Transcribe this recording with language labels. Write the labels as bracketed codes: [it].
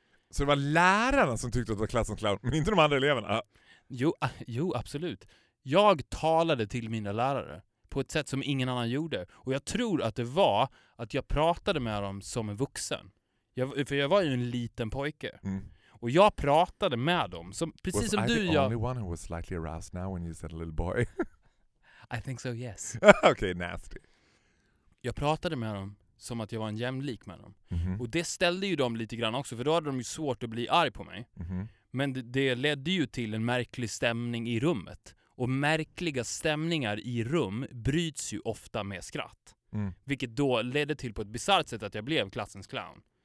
[sv] Så det var lärarna som tyckte att det var klassens clown, men inte de andra eleverna? Jo, absolut. Jag talade till mina lärare på ett sätt som ingen annan gjorde. Och jag tror att det var att jag pratade med dem som en vuxen. För jag var ju en liten pojke. Mm. Och jag pratade med dem, precis som du. [en] Was I the only one who was slightly aroused now when you said a little boy? I think so, yes. Okay, nasty. [sv] Jag pratade med dem. Som att jag var en jämlik med dem. Mm-hmm. Och det ställde ju dem lite grann också. För då hade de ju svårt att bli arg på mig. Mm-hmm. Men det ledde ju till en märklig stämning i rummet. Och märkliga stämningar i rum bryts ju ofta med skratt. Mm. Vilket då ledde till på ett bizarrt sätt att jag blev klassens clown.